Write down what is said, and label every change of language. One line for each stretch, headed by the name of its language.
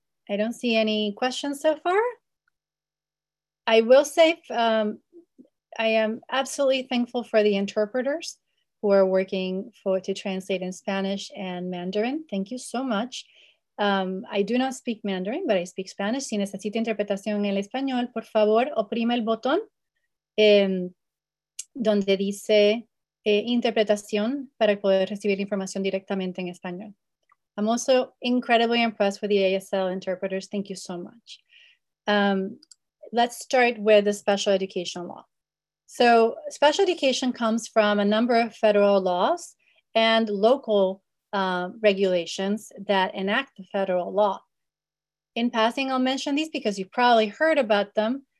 English: I don't see any questions so far. I will say, I am absolutely thankful for the interpreters who are working to translate in Spanish and Mandarin. Thank you so much. I do not speak Mandarin, but I speak Spanish.
Spanish: Si necesita interpretación en el español, por favor, oprima el botón donde dice interpretación para poder recibir información directamente en español.
English: I'm also incredibly impressed with the ASL interpreters. Thank you so much. Let's start with the special education law. So special education comes from a number of federal laws and local regulations that enact the federal law. In passing, I'll mention these because you've probably heard about them.